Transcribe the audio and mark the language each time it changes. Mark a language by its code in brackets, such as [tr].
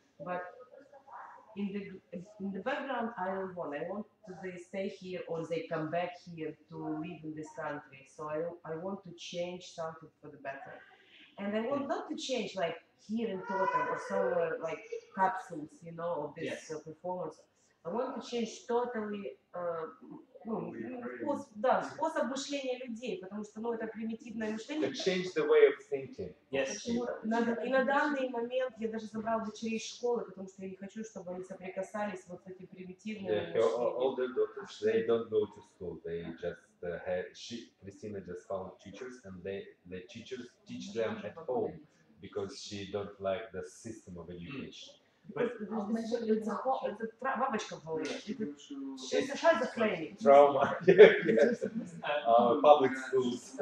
[en] But in the background, I don't want. I want to they stay here or they come back here to live in this country. So I want to change something for the better. And I want not to change like here in Totem or somewhere like capsules, you know, of this yes. Performance. I want to change totally. [ru] Способ мышления людей, потому что, ну, это примитивное мышление. [en] To change the way of thinking. Yes. [ru] И на данный момент я даже забрал дочерей из школы, потому что я не хочу, чтобы они соприкасались вот с этим примитивным мышлением. [en] Yeah, older daughters, they don't go to school. They just have, Christina just found teachers, and the teachers teach them at home, because she don't like the system of education. Public schools.